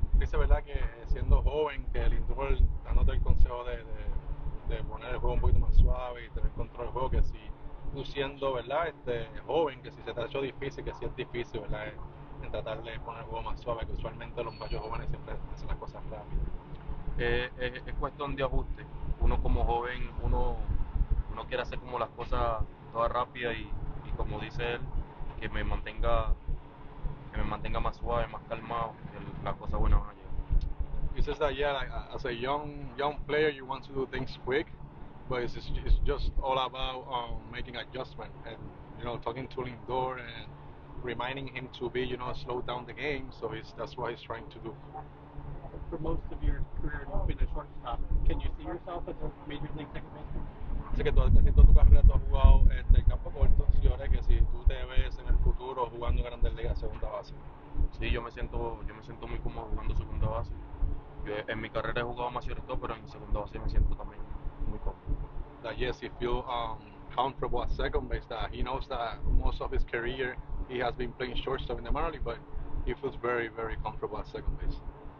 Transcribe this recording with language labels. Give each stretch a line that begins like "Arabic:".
Spanish: Dice verdad que siendo joven, que el Lindor dándote el consejo de poner el juego un poquito más suave y tener control del juego, que si tú siendo, ¿verdad?, joven, que si se te ha hecho difícil, que si es difícil, ¿verdad?, en tratar de poner el juego más suave, que usualmente los mayores jóvenes siempre hacen las cosas rápidas. Es cuestión de ajuste. Uno como joven, uno quiere hacer como las cosas todas rápidas y como dice él, que me mantenga más suave, más calmado, que la cosa buena va a llegar.
English: He says that, yeah, like, as a young player, you want to do things quick, but it's just all about making adjustment and, you know, talking to Lindor and reminding him to be, you know, slow down the game. So that's what he's trying to do. For most of your career, you've been a shortstop. Can you see yourself as a major league second baseman?
Spanish: Sí, que casi toda tu carrera tú has jugado en campo corto. Señores, que si tú te ves en el futuro jugando en Grandes Ligas, segunda base. Sí, yo me siento muy cómodo jugando segunda base. Yo en mi carrera he jugado más shortstop, pero en segunda base me siento también muy cómodo.
English: That yes, he feel comfortable at second base. That he knows that most of his career he has been playing shortstop in the minor league, but he feels very, very comfortable at second base.